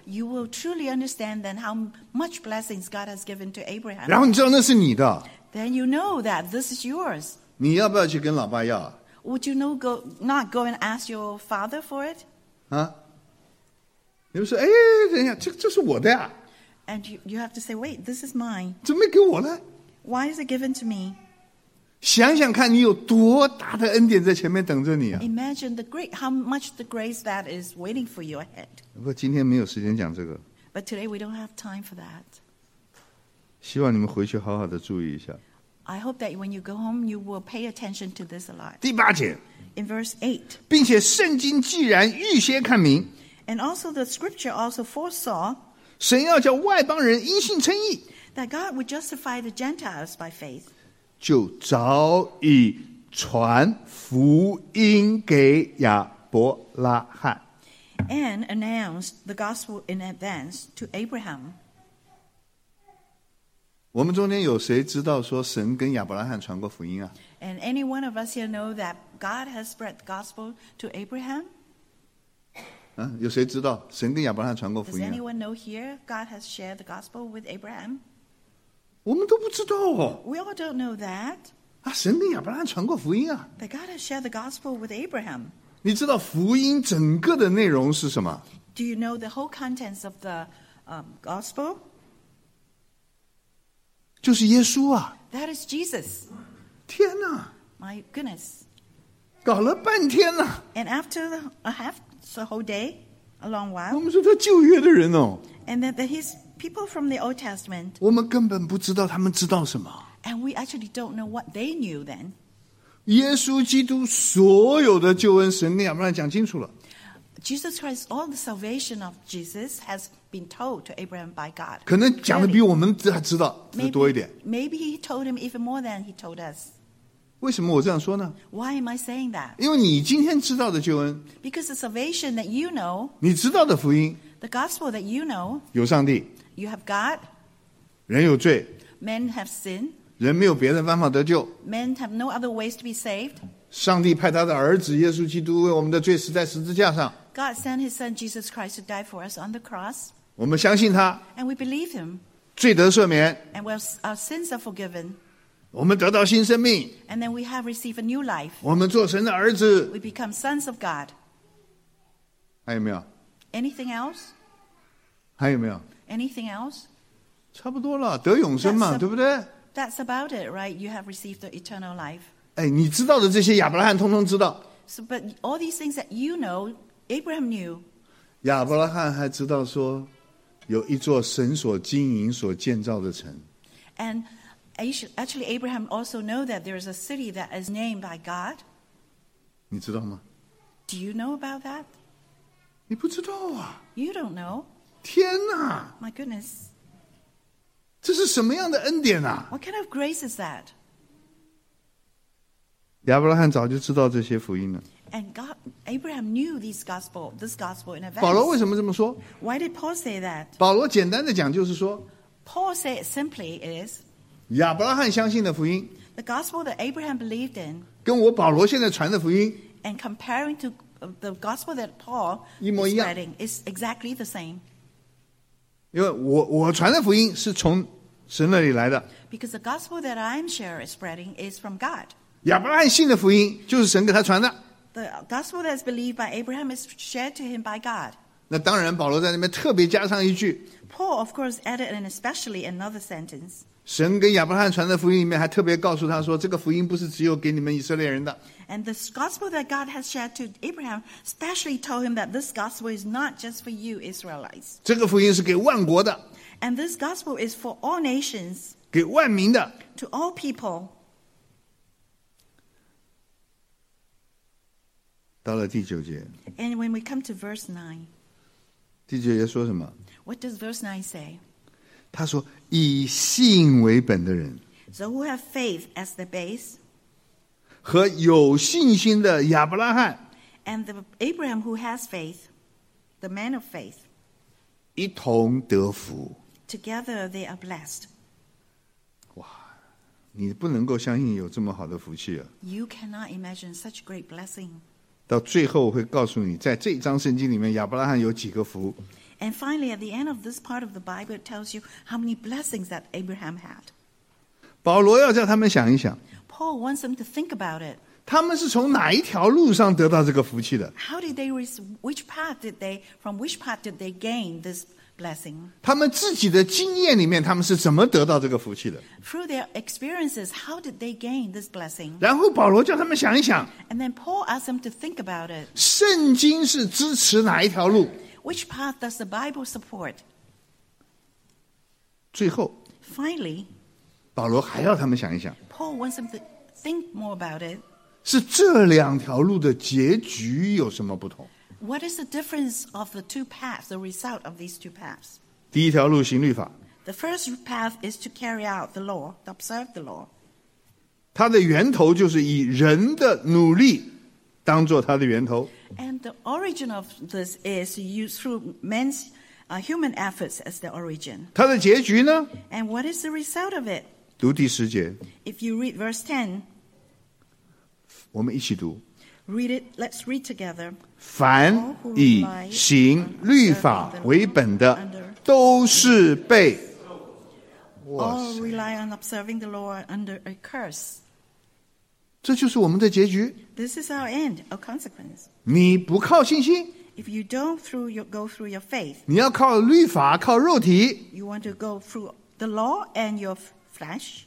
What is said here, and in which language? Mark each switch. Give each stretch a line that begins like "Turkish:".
English: You will truly understand then how much blessings God has given to Abraham.
Chinese: 然后你知道那是你的。
English: Then you know that this is yours.
Chinese: 你要不要去跟老爸要？
English: Would you not go and ask your father for it? 啊？
Chinese: 你们说，哎，等一下，这是我的呀、啊。
English: And you have to say, wait, this is mine.
Chinese: 怎么没给我呢？
English: Why is it given to me?
Chinese: 想想看，你有多大的恩典在前面等着你啊！
English: Imagine how much the grace that is waiting for you ahead.
Chinese: 不，今天没有时间讲这个。
English: But today we don't have time for that.
Chinese: 希望你们回去好好的注意一下。
English: I hope that when you go home, you will pay attention to this a lot.
Chinese: 第八节。
English: In verse 8.
Chinese: 并且圣经既然预先看明。
English: And also the scripture also foresaw
Chinese: 神要叫外邦人因信称义
English: that God would justify the Gentiles by faith
Chinese: 就早已传福音给亚伯拉罕
English: and announced the gospel in advance to Abraham
Chinese: 我们中间有谁知道说神跟亚伯拉罕传过福音啊
English: and any one of us here know that God has spread the gospel to Abraham?
Chinese: 啊、有谁知道神跟亚伯拉罕传过福音、啊、
English: Does anyone know here God has shared the gospel with Abraham?
Chinese: 我们都不知道哦
English: We all don't know that、
Chinese: 啊、神跟亚伯拉罕传过福音啊
English: That God has shared the gospel with Abraham
Chinese: 你知道福音整个的内容是什么
English: Do you know the whole contents of the gospel?
Chinese: 就是耶稣啊
English: That is Jesus
Chinese: 天哪
English: My goodness
Chinese: 搞了半天啊
English: And after a halfSo whole day, a long while.
Chinese: 我们说他旧约的人哦。
English: And that his people from the Old Testament.
Chinese: 我们根本不知道他们知道什么。
English: And we actually don't know what they knew then.
Chinese: 耶稣基督所有的救恩，神跟亚伯拉罕讲清楚了。
English: Jesus Christ, all the salvation of Jesus has been told to Abraham by God.
Chinese: 可能讲的比我们还知道多一点。
English: Maybe he told him even more than he told us.
Chinese: 为什么我这样说呢
English: Why am I saying that?
Chinese: 因为你今天知道的救恩
English: Because the salvation that you know
Chinese: 你知道的福音
English: The gospel that you know
Chinese: 有上帝
English: You have God
Chinese: 人有罪
English: Men have sin
Chinese: 人没有别的办法得救
English: Men have no other ways to be saved
Chinese: 上帝派他的儿子耶稣基督为我们的罪死在十字架上
English: God sent his son Jesus Christ to die for us on the cross
Chinese: 我们相信他
English: And we believe him
Chinese: 罪得赦免
English: And our sins are forgiven
Chinese: 我们得到新生命
English: And then we have received a new life.
Chinese: 我们做神的儿子
English: We become sons of God.
Chinese: 还有没有
English: Anything else?
Chinese: 还有没有
English: Anything else?
Chinese: 差不多了得永生嘛对不对
English: That's about it, right? You have received the eternal life.
Chinese: 哎，你知道的这些亚伯拉罕通通知道
English: so, But all these things that you know, Abraham knew.
Chinese: 亚伯拉罕还知道说有一座神所经营所建造的城
English: AndActually, Abraham also knows that there is a city that is named by God.
Chinese: 你知道吗?
English: Do you know about that?
Chinese: 你不知道啊。
English: You don't know.
Chinese: 天哪!
English: My goodness.
Chinese: 这是什么样的恩典啊？
English: What kind of grace is that?
Chinese: 亚伯拉罕早就知道这些福音了。
English: And God, Abraham knew this gospel in advance.
Chinese: 保罗为什么这么说？
English: Why did Paul say that?
Chinese: 保罗简单的讲就是说，
English: Paul said simply is,
Chinese: 亚伯拉罕相信的福音，
English: the gospel that Abraham believed in,
Chinese: 跟我保罗现在传的福音，
English: and comparing to the gospel that Paul
Chinese: 一模一样，
English: is spreading is exactly the same.
Chinese: 因为我传的福音是从神那里来的。
English: Because the gospel that I'm spreading is from God.
Chinese: 亚伯拉罕信的福音就是神给他传的。
English: The gospel that is believed by Abraham is shared to him by God.
Chinese: 那当然保罗在那边特别加上一句。
English: Paul of course added an especially another sentence.
Chinese: 神跟亚伯拉罕传的福音里面还特别告诉他说，这个福音不是只有给你们以色列人的。
English: And the gospel that God has shared to Abraham specially told him that this gospel is not just for you Israelites.
Chinese: 这个福音是给万国的。
English: And this gospel is for all nations.
Chinese: 给万民的。
English: To all people.
Chinese: 到了第九节。
English: And when we come to verse 9,
Chinese: 第九节说什么？
English: What does verse 9 say?
Chinese: 他说，以信为本的人。
English: So who have faith as the base?
Chinese: 和有信心的亚伯拉罕。
English: And the Abraham who has faith, the man of faith,
Chinese: 一同得福。
English: Together they are blessed.
Chinese: 哇，你不能够相信有这么好的福气啊。
English: You cannot imagine such great blessing.
Chinese: 到最后我会告诉你，在这一章圣经里面，亚伯拉罕有几个福。
English: And finally, at the end of this part of the Bible, it tells you how many blessings that Abraham had.
Chinese: 保罗要叫他们想一想。
English: Paul wants them to think about it.
Chinese: 他们是从哪一条路上得到这个福气的？
English: How did they which path did they from which path did they gain this blessing?
Chinese: 他们自己的经验里面，他们是怎么得到这个福气的？
English: Through their experiences, how did they gain this blessing?
Chinese: 然后保罗叫他们想一想。
English: And then Paul asked them to think about it.
Chinese: 圣经是支持哪一条路？
English: Which path does the Bible support?
Chinese: 最后。
English: Finally.
Chinese: 保罗还要他们想一想。
English: Paul wants them to think more about it.
Chinese: 是这两条路的结局有什么不同？
English: What is the difference of the two paths, the result of these two paths?
Chinese: 第一条路行律法。
English: The first path is to carry out the law, to observe the law.
Chinese: 它的源头就是以人的努力当作它的源头。
English: And the origin of this is used through men's, human efforts as the origin.
Chinese: 它的结局呢？
English: And what is the result of it?
Chinese: 读第十节。
English: If you read verse 10,
Chinese: 我们一起读。
English: Read it, let's read together.
Chinese: 凡以行律法为本的都是被
English: All rely on observing the law under a curse.
Chinese: 这就是我们的结局。
English: This is our end, our consequence.
Chinese: 你不靠信心，
English: If you don't through your, go through your faith,
Chinese: 你要靠律法，靠肉体，
English: You want to go through the law and your flesh,